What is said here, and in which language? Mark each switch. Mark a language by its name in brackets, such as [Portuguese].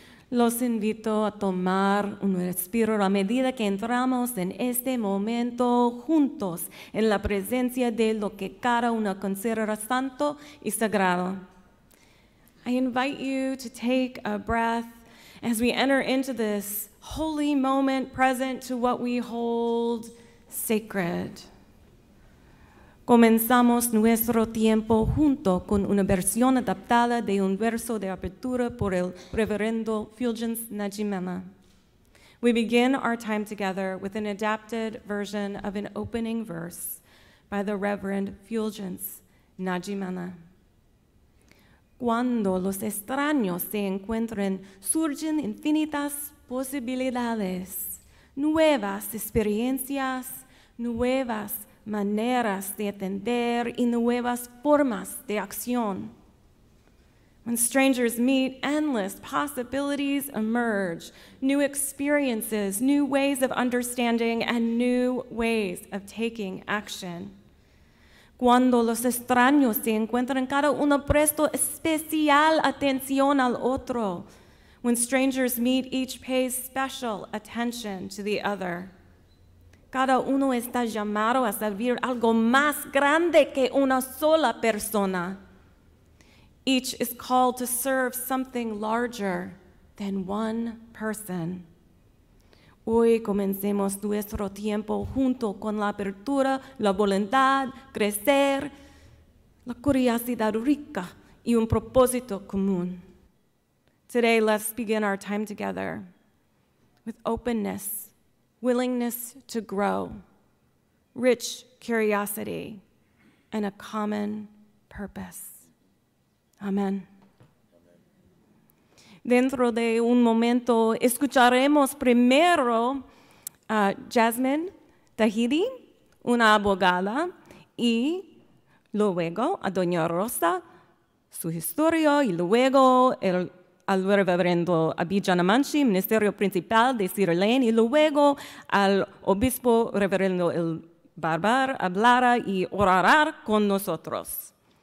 [Spanish] Los invito a tomar un respiro a medida que entramos en este momento juntos en la presencia de lo que cada uno considera santo y sagrado. [English] I invite you to take a breath as we enter into this holy moment present to what we hold sacred. [Spanish] Comenzamos nuestro tiempo junto con una versión adaptada de un verso de apertura por el Reverendo Fulgence Najimena. [English] We begin our time together with an adapted version of an opening verse by the Reverend Fulgence Najimena. [Spanish] Cuando los extraños se encuentren, surgen infinitas posibilidades, nuevas experiencias, nuevas maneras de atender y nuevas formas de acción. [English] When strangers meet, endless possibilities emerge, new experiences, new ways of understanding, and new ways of taking action. [Spanish] Cuando los extraños se encuentran cada uno presto especial atención al otro. [English] When strangers meet, each pays special attention to the other. [Spanish] Cada uno está llamado a servir algo más grande que una sola persona. [English] Each is called to serve something larger than one person. [Spanish] Hoy comencemos nuestro tiempo junto con la apertura, la voluntad, crecer, la curiosidad rica y un propósito común. [English] Today, let's begin our time together with openness, willingness to grow, rich curiosity, and a common purpose. Amen. [Spanish] Dentro de un momento, escucharemos primero a Jasmine Tahiti, una abogada, y luego a Doña Rosa, su historia, y luego al reverendo Abijah Namanchi, ministerio principal de Cedar Lane, y luego al obispo reverendo el Barber, hablará y orará con nosotros.